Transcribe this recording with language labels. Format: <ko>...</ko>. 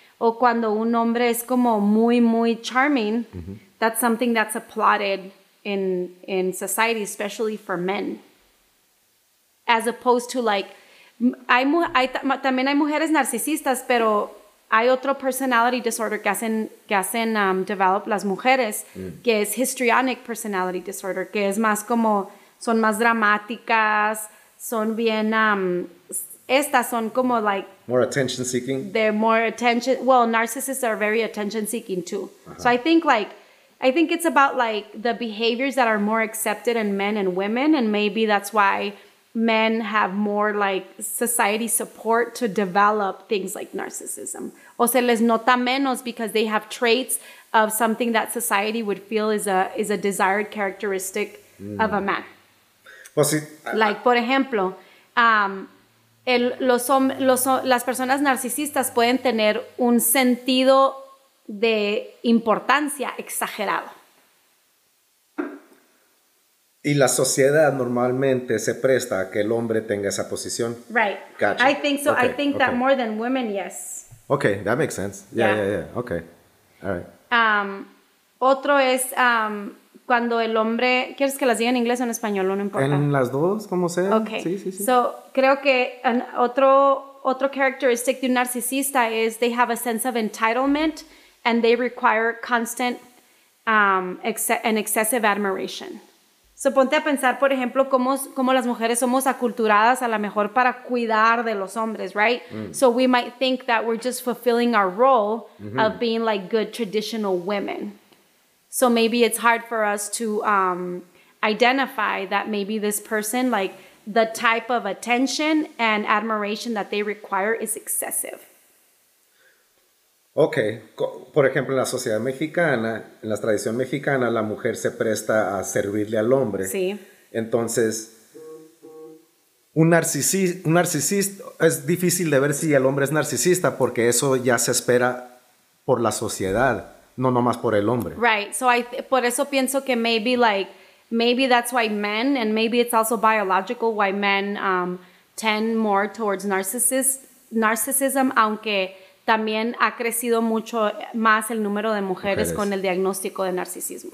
<es>O cuando un hombre es como muy, muy charming, mm-hmm.</es> <en>that's something that's applauded in society, especially for men. As opposed to like, también hay mujeres narcisistas, pero hay otro personality disorder que hacen develop las mujeres, que es histrionic personality disorder, que es más como, son más dramáticas, son bien, estas son como like... More attention seeking? They're more attention, well, narcissists are very attention seeking too. Uh-huh. So I think it's about like the behaviors that are more accepted in men and women, and maybe that's why... Men have more like society support to develop things like narcissism.</en> <es>O se les nota menos</es> <en>because they have traits of something that society would feel is a desired characteristic of a man. Well, see,</en> <es>like, por ejemplo, las personas narcisistas pueden tener un sentido de importancia exagerado. Y la sociedad normalmente se presta a que el hombre tenga esa posición.</es> <en>Right. Gotcha. I think so. Okay. I think that more than women, yes. Okay, that makes sense. Yeah. Okay. All right.</en> <es>Otro es cuando el hombre... ¿Quieres que las diga en inglés o en español? No importa. En las dos, como sea.</es> <en>Okay.</en> <es>Sí.</es> <en>So,</en> <es>creo que otro</es> <en>characteristic</en> <es>de un narcisista</es> <en>is they have a sense of entitlement and they require constant and excessive admiration.</en> <es>So, ponte a pensar, por ejemplo, cómo las mujeres somos aculturadas a lo mejor para cuidar de los hombres, right? Mm.</es> <en>So, we might think that we're just fulfilling our role mm-hmm. of being like good traditional women. So, maybe it's hard for us to identify that maybe this person, like the type of attention and admiration that they require is excessive.</en> <es>Okay, por ejemplo, en la sociedad mexicana, en la tradición mexicana, la mujer se presta a servirle al hombre. Sí. Entonces, un narcisista, es difícil de ver si el hombre es narcisista porque eso ya se espera por la sociedad, no nomás por el hombre.</es> <en>Right, so</en> <es>por eso pienso que</es> <en>maybe that's why men, and maybe it's also biological why men tend more towards narcissism, aunque...</en> <es>También ha crecido mucho más el número de mujeres con el diagnóstico de narcisismo.</es>